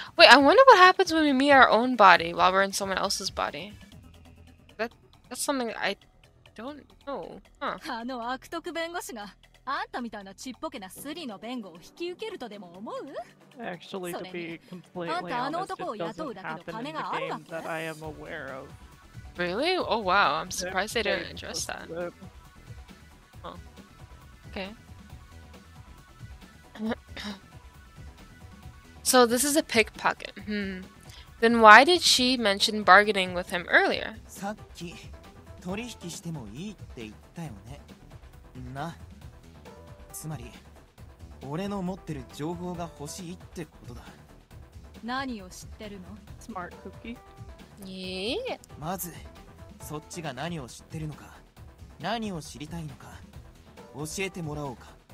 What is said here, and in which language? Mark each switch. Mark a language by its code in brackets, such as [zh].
[en] Wait, I wonder what happens when we meet our own body while we're in someone else's body. That's something I don't know. [ja] あの悪徳弁護士が あんたみたいなちっぽけなスリの弁護を引き受けるとでも思う? [en] Actually, to be completely honest, it doesn't happen in the game that I am aware of. Really? Oh wow, I'm surprised they didn't address that. Oh. Okay. So this is a pickpocket. Hmm. Then why did she mention bargaining with him earlier? [ja] さっき取引してもいいって言ったよね。な。つまり、俺の持ってる情報が欲しいってことだ。何を知ってるの？スマートクッキー。まず、そっちが何を知ってるのか、何を知りたいのか、教えてもらおうか。